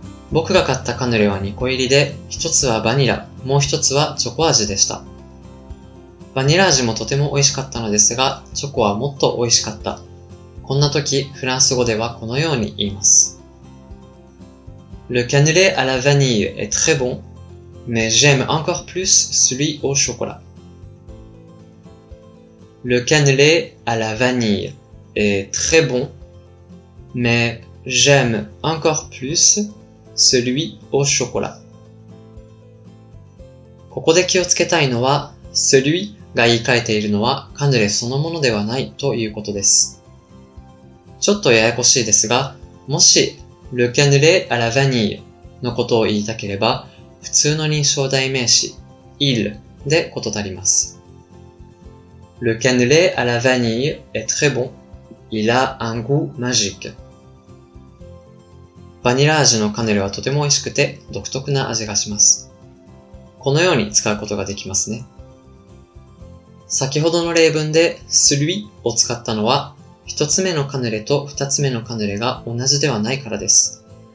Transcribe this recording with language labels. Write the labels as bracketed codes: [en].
[ja] 僕が買ったカヌレは2個入りで、一つはバニラ、もう一つはチョコ味でした。バニラ味もとても美味しかったのですが、チョコはもっと美味しかった。こんな時、フランス語ではこのように言います。 [fr] Le cannelé à la vanille est très bon, mais j'aime encore plus celui au chocolat. Le cannelé à la vanille est très bon, mais j'aime encore plus... celui au chocolat。 [ja] ここで気をつけたいのは、 celui が言い換えているのはカヌレそのものではないということです。ちょっとややこしいですが、もし [fr] le cannelé à la vanille [ja] のことを言いたければ普通の認証代名詞 il でこと足ります。 [fr] le cannelé à la vanille est très bon, il a un goût magique。 [ja] バニラ味のカヌレはとても美味しくて独特な味がします。このように使うことができますね。先ほどの例文でスルイを使ったのは、一つ目のカヌレと二つ目のカヌレが同じではないからです。